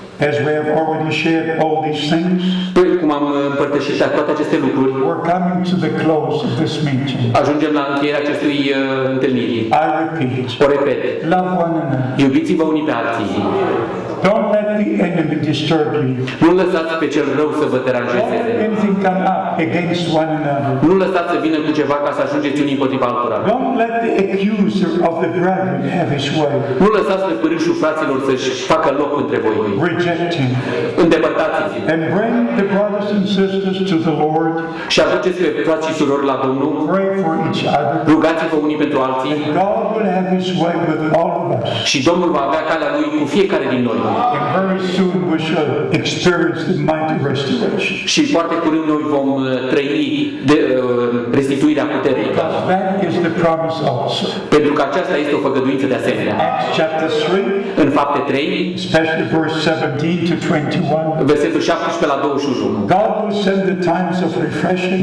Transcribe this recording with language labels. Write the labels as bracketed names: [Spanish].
[English] As we have already shared all these things, [Romanian] păi cum am împărtășit toate aceste lucruri, [English] we're coming to the close of this meeting. [Romanian] Ajungem la încheierea acestui întâlnirii. [English] I repeat, [Romanian] o repet, [English] love one another. [Romanian] Iubiți-vă unii pe alții. [English] Don't let the enemy disturb you. [Romanian] Nu lăsați pe cel rău să vă deranjeze. [English] Don't let anything come up against one another. [Romanian] Nu lăsați să vină cu ceva ca să ajungeți unii împotriva altora. [English] Don't let the accuser of the brethren have his way. [Romanian] Nu lăsați pe părâșul fraților să-și facă loc între voi. [English] Reject him. [Romanian] Îndepărtați-l. [English] And bring the brothers and sisters to the Lord. [Romanian] Și aduceți pe frații și surori la Domnul. [English] Pray for each other. [Romanian] Rugați-vă unii pentru alții. [English] And God will have his way with all of us. [Romanian] Și Domnul va avea calea lui cu fiecare din noi. [English] And very soon we shall experience the mighty restoration. [Romanian] Și foarte curând noi vom trăi de restituirea puternică. [English] That is the promise also. [Romanian] Pentru că aceasta este o făgăduință de asemenea. [English] Acts chapter 3. [Romanian] În Fapte 3. [English] Especially verse 17 to 21. [Romanian] Versetul 17 la 21. [English] God will send the times of refreshing.